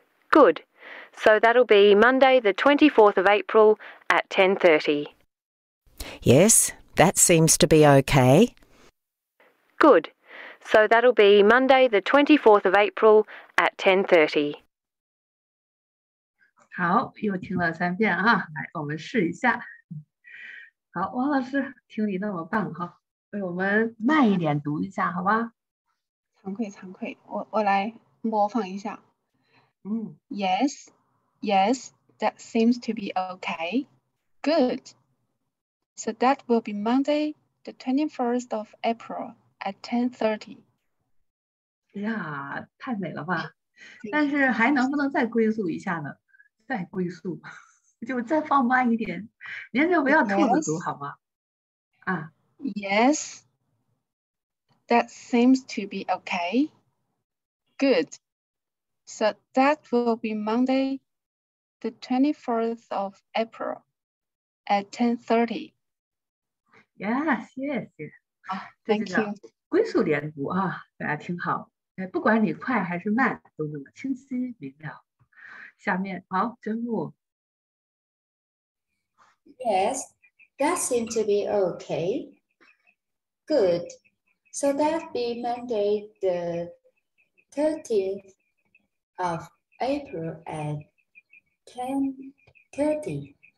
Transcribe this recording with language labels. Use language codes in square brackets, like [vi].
[en] Good. So that'll be Monday the 24th of April at 10:30. Yes, that seems to be okay. Good. So that'll be Monday the 24th of April at 10:30. [zh] 好，又听了三遍啊，来，我们试一下。好，王老师，听你那么棒哈，为我们慢一点读一下，好吧？惭愧惭愧，我来模仿一下。 Mm. [en] Yes, yes, that seems to be okay. Good. So that will be Monday, the 21st of April at 10:30. [zh] 呀，太美了吧！但是还能不能再龟速一下呢？再龟速，就再放慢一点。您就不要兔子读好吗？啊。 [en] Yes. That seems to be okay. Good. So that will be Monday, the 21st of April, at 10:30. Yes. Yes. 啊，Thank you. [zh] 龟速连读啊，大家听好。哎，不管你快还是慢，都那么清晰明了。下面，好，真木。 [en] Yes, that seems to be okay. Good. So that'll be Monday, the 30th of April at 10:30.